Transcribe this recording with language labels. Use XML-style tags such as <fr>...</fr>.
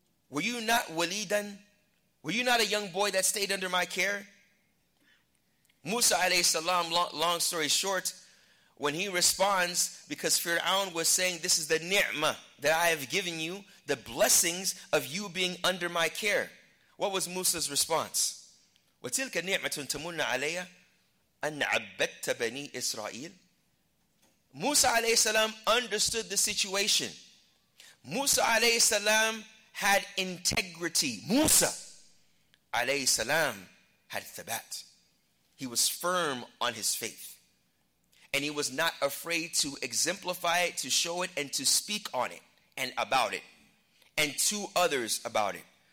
<en>Were you not walidan? Were you not a young boy that stayed under my care? Musa alayhi salam, long story short, when he responds, because Fir'aun was saying, this is the ni'mah that I have given you, the blessings of you being under my care. What was Musa's response?</en> <ar>وَتِلْكَ نِعْمَةٌ تَمُنَّ عَلَيَّ أَنَّ عَبَّدْتَ بَنِي إِسْرَائِيلِ</ar> <en>Musa alayhi salam understood the situation. Musa alayhi salam had integrity. Musa alayhi salam had thabat. He was firm on his faith. And he was not afraid to exemplify it, to show it, and to speak on it, and about it, and to others about it.</en>